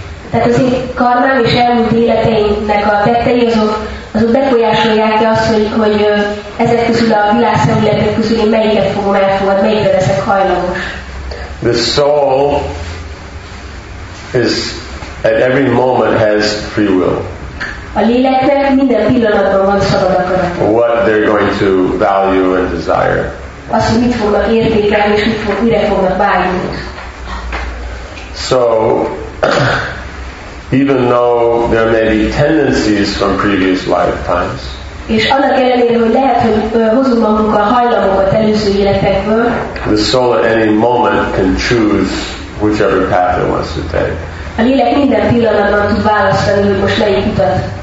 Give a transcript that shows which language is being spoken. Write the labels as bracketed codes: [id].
[hu] Tehát az én karmám és elmúlt életeimnek a tettei azok befolyásolják-e azt, hogy ezek közül a világszemléletek közül én melyiket fogom elfogadni, melyikre leszek hajlamos. [en] The soul is at every moment has free will. [hu] A léleknek minden pillanatban van szabad akarata. [en] What they're going to value and desire. [hu] Azt, hogy mit fognak értékelni, és mire fognak vágyni. [en] So, even though there may be tendencies from previous lifetimes. [hu] És annak ellenére, hogy lehet, hogy hozunk magunkkal hajlamokat előző életekből. [en] The soul at any moment can choose whichever path it wants to take. [hu] A lélek minden pillanatban tud választani, hogy most melyik utat.